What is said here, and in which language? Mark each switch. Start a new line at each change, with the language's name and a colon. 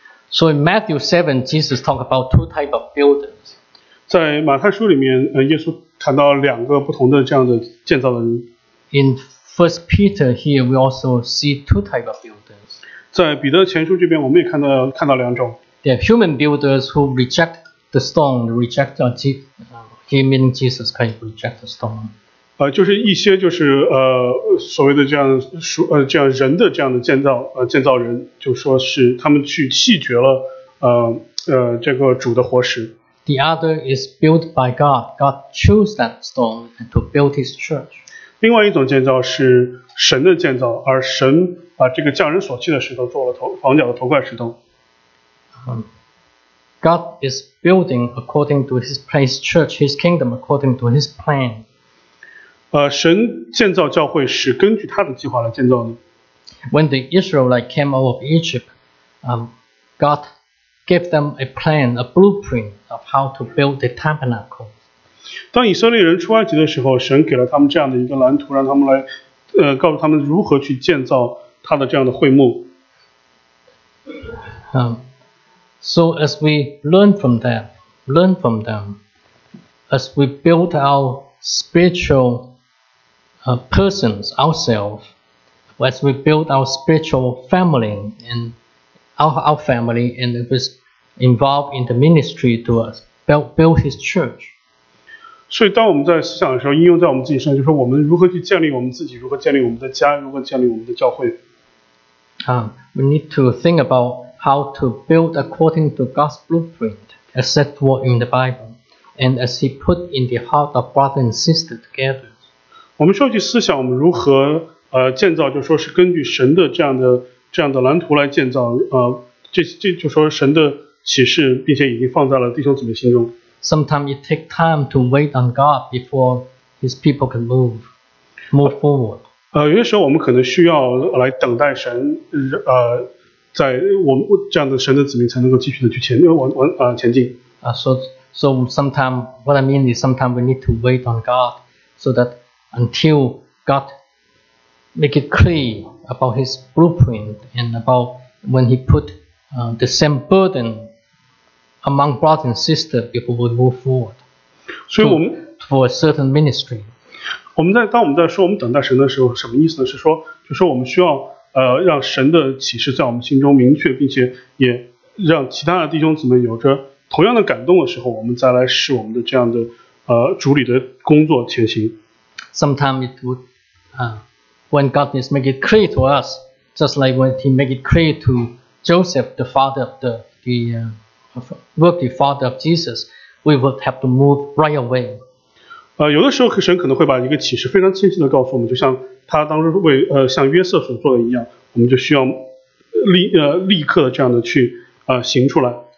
English: So in Matthew 7, Jesus talked about two types of builders.
Chinese: 在马太书里面耶稣谈到两个不同的这样的建造的人。
English: In 1 Peter here, we also see two types of builders.
Chinese: 在彼得前书这边我们也看到两种。
English: There are human builders who reject the stone, reject he meaning Jesus can reject the stone.
Chinese: 就是一些就是所谓的这样这样人的这样的建造人，就说是他们去弃绝了这个主的活石。
English: The other is built by God. God chose that stone to build His church.
Chinese: 另外一种建造是神的建造，而神把这个匠人所弃的石头做了房角的头块石头。
English: God is building according to His plan, His church, His kingdom according to His plan.
Chinese: 神建造教会是根据他的计划来建造的。
English: When the Israelites came out of Egypt, God gave them a plan, a blueprint of how to build the tabernacle.
Chinese: 当以色列人出埃及的时候，神给了他们这样的一个蓝图，让他们来告诉他们如何去建造他的这样的会幕。
English: So as we learn from them, as we build our spiritualpersons, ourselves, as we build our spiritual family and our family, and it was involved in the ministry to us, build His church.
Chinese: 所以当我们在思想的时候应用在我们自己身上，就是我们如何去建立我们自己，如何建立我们的家，如何建立我们的教会。
English: We need to think about how to build according to God's blueprint, as set forth in the Bible, and as He put in the heart of brother and sister together.
Chinese: 我们需要去思想我们如何建造，就是说是根据神的这样的蓝图来建造，这就说神的启示并且已经放在了弟兄姊妹心中。
English: Sometimes it takes time to wait on God before His people can move forward.
Chinese: 有些时候我们可能需要来等待神在我们这样的神的子民才能够继续的去前进。
English: So sometimes what I mean is sometimes we need to wait on God so thatUntil God make it clear about His blueprint and about when He put the same burden among brother and sister before we move forward. For a certain ministry.
Chinese: 当我们在说我们等待神的时候，什么意思呢？是说，就是说我们需要让神的启示在我们心中明确，并且也让其他的弟兄姊妹有着同样的感动的时候，我们再来使我们的这样的主里的工作前行。
English: Sometimes it would, when God is make it clear to us, just like when He make it clear to Joseph, the father of the father of Jesus, we would have to move right away.
Chinese: 有的时候神可能会把一个启示非常清晰的告诉我们，就像他当时为像约瑟所做的一样，我们就需要立刻的这样的去行出来。